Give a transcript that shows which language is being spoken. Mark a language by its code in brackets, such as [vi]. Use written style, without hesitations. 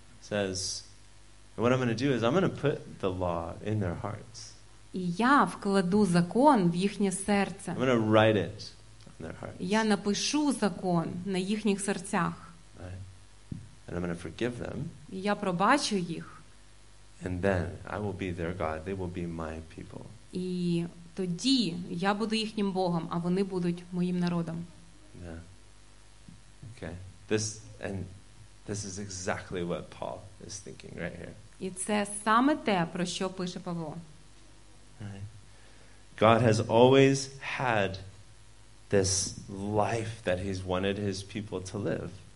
[en] Says, what I'm going to do is I'm going to put the law in their hearts. [uk] І я вкладу закон в їхнє серце. [en] I'm going to write it on their hearts. [uk] Я напишу закон на їхніх серцях. [en] Right. And I'm going to forgive them. [uk] І я пробачу їх. [en] And then I will be their God. They will be my people. [uk] І тоді я буду їхнім Богом, а вони будуть моїм народом. [en] Yeah. Okay. This is exactly what Paul is thinking right here. [uk] І це саме те, про що пише Павло. [en] God has always had this life that he's wanted his people to live.